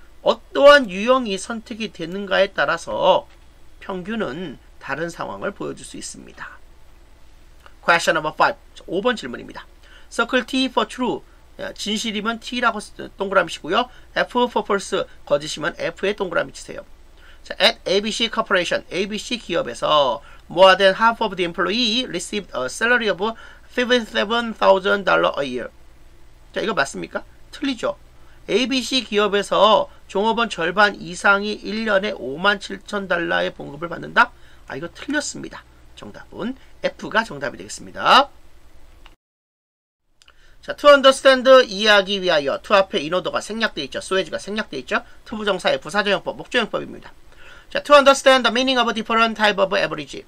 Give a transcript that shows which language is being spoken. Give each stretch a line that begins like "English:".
Korean: 어떠한 유형이 선택이 되는가에 따라서 평균은 다른 상황을 보여줄 수 있습니다.
English: Question number 5.
Korean: 5번 질문입니다.
English: Circle T for true.
Korean: 진실이면 T라고 동그라미시고요.
English: F for false.
Korean: 거짓이면 F에 동그라미 치세요.
English: 자, at ABC Corporation.
Korean: ABC 기업에서
English: more than half of the employee received a salary of $57,000 a year.
Korean: 자, 이거 맞습니까? 틀리죠. ABC 기업에서 종업원 절반 이상이 1년에 $57,000의 봉급을 받는다? 아, 이거 틀렸습니다. 정답은 F가 정답이 되겠습니다. 자, to understand 이해하기 위하여 to 앞에 인오더가 생략되어 있죠. 소외지가 생략되어 있죠. to 부정사의 부사정형법, 목적형법입니다.
English: 자, to understand the meaning of different type of average.